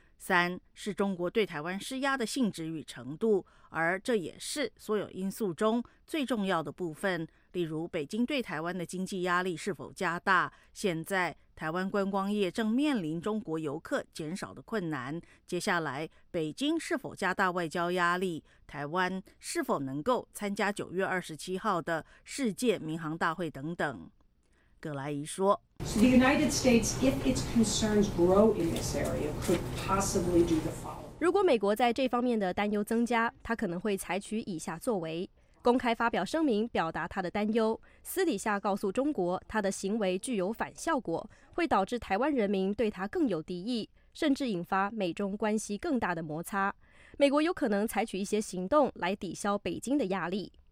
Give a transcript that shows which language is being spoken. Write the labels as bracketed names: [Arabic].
[Chinese] 三是中国对台湾施压的性质与程度，而这也是所有因素中最重要的部分，例如北京对台湾的经济压力是否加大，现在台湾观光业正面临中国游客减少的困难，接下来北京是否加大外交压力，台湾是否能够参加9月27号的世界民航大会等等。葛莱仪说 [English] So the United States, if its concerns grow in this area, could possibly do the following. [Chinese] 如果美国在这方面的担忧增加，它可能会采取以下作为。公开发表声明表达他的担忧，私底下告诉中国他的行为具有反效果，会导致台湾人民对他更有敌意，甚至引发美中关系更大的摩擦。美国有可能采取一些行动来抵消北京的压力。